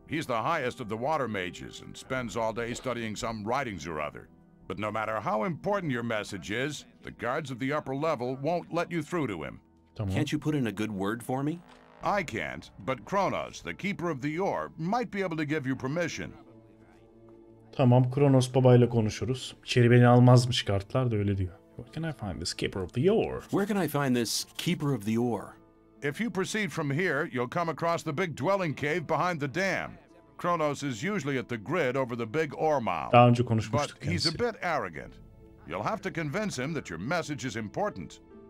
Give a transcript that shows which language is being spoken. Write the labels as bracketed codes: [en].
[en] He's the highest of the water mages and spends all day studying some writings or other. But no matter how important your message is, the guards of the upper level won't let you through to him. [tr] Tamam. [en] Can't you put in a good word for me? I can't, but Kronos, the keeper of the ore, might be able to give you permission. [tr] Tamam, Kronos babayla konuşuruz. İçeri beni almazmış kartlar da öyle diyor. [en] Where can I find this keeper of the ore? Where can I find this keeper of the ore? If you proceed from here, you'll come across the big dwelling cave behind the dam. Kronos is usually at the grid over the big ore mound. [tr] Daha önce konuşmuştuk [en] kendisi. But he's a bit arrogant. You'll have to convince him that your message is important.